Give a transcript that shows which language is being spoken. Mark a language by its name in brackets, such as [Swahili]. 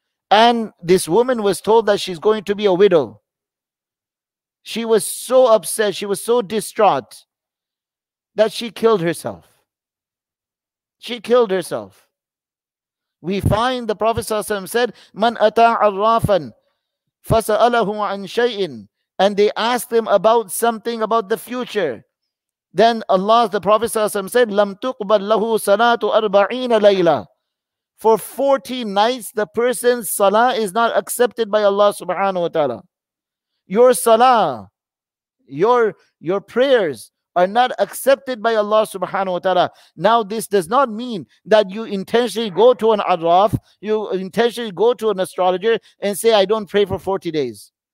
[English] And this woman was told that she's going to be a widow. She was so upset, she was so distraught that she killed herself. She killed herself. We find the Prophet ﷺ said, [Arabic] man ata arrafan, فَسَأَلَهُ عَنْ شَيْءٍ, [English] and they asked him about something about the future. Then Allah, the Prophet ﷺ said, [Arabic] لَمْ تُقْبَلْ لَهُ صَلَاةُ أَرْبَعِينَ لَيْلًا. [English] For 40 nights, the person's salah is not accepted by Allah subhanahu wa ta'ala. Your salah, your prayers are not accepted by Allah subhanahu wa ta'ala. Now this does not mean that you intentionally go to an arraf, you intentionally go to an astrologer and say, I don't pray for 40 days.